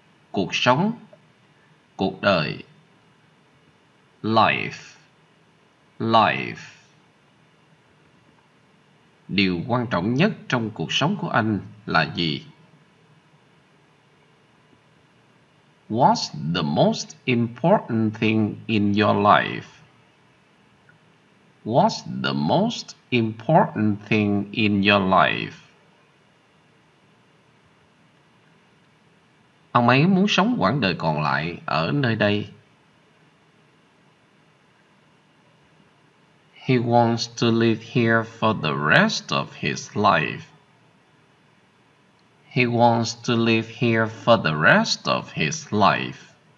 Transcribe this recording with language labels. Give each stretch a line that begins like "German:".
Vietnamese: Cuộc sống, cuộc đời.
English: Life, life.
Vietnamese: Điều quan trọng nhất trong cuộc sống của anh là gì?
English: What's the most important thing in your life? What's the most important thing in your life?
Vietnamese: Ông ấy muốn sống quãng đời còn lại ở nơi đây.
English: He wants to live here for the rest of his life. He wants to live here for the rest of his life.